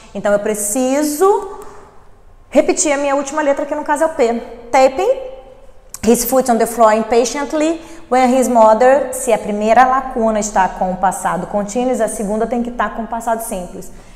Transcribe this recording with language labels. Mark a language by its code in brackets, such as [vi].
[pt] Então, eu preciso repetir a minha última letra, que no caso é o P. [en] Tapping. His foot on the floor impatiently when his mother. [pt] Se a primeira lacuna está com o passado contínuo, a segunda tem que estar com o passado simples.